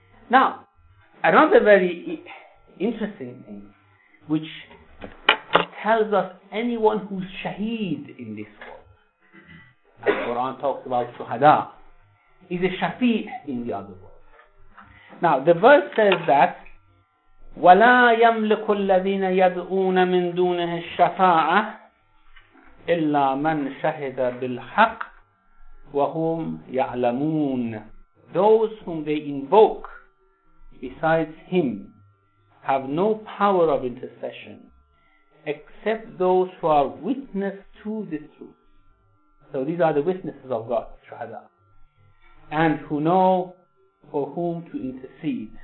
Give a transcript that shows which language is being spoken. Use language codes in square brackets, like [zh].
[en] Now, another very interesting thing, which tells us anyone who's shaheed in this world, as the Quran talks about shuhada, is a shafi' in the other world. Now, the verse says that, [ar] وَلَا يَمْلِكُ الَّذِينَ يَدْعُونَ مِن دُونِهِ الشَّفَاعَةِ إلا من شهد بالحق وهم يعلمون. [en] Those whom they invoke besides him have no power of intercession except those who are witness to the truth. So these are the witnesses of God, shuhada, and who know for whom to intercede.